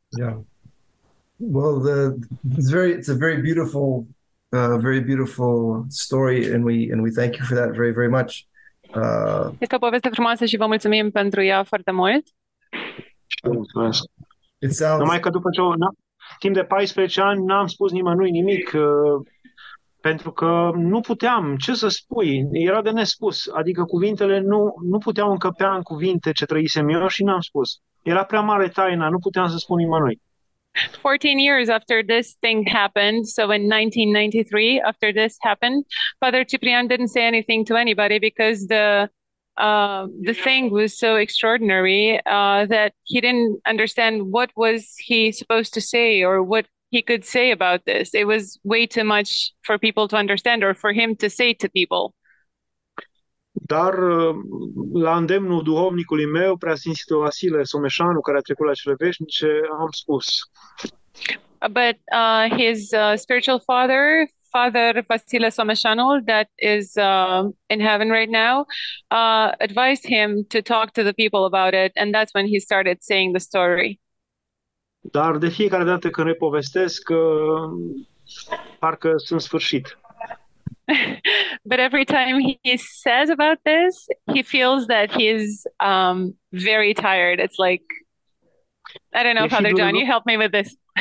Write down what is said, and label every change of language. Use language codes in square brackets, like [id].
[en] Yeah. Well, it's a very beautiful story, and we thank you for that very, very much. [ro] Este o poveste frumoasă și vă mulțumim pentru ea foarte mult. [en] It sounds. [ro] Numai că după ce timp de 14 ani n-am spus nimănui nimic, pentru că nu puteam, ce să spui, era de nespus, adică cuvintele nu puteau încăpea în cuvinte ce trăisem eu și n-am spus. Era prea mare taina, nu puteam să spun nimănui. [en] 14 years after this thing happened, so in 1993, after this happened, Father Ciprian didn't say anything to anybody because the thing was so extraordinary that he didn't understand what was he supposed to say or what he could say about this. It was way too much for people to understand or for him to say to people. [ro] Dar la îndemnul duhovnicului meu, preasfințitul Vasile Someșanu, care a trecut la cele veșnice, am spus. [en] But his spiritual father, Father Vasile Someșanu, that is in heaven right now, advised him to talk to the people about it, and that's when he started saying the story. [ro] Dar de fiecare dată când repovestesc, parcă sunt sfârșit. [en] But every time he says about this, he feels that he is very tired. It's like, I don't know, Father John, you help me with this.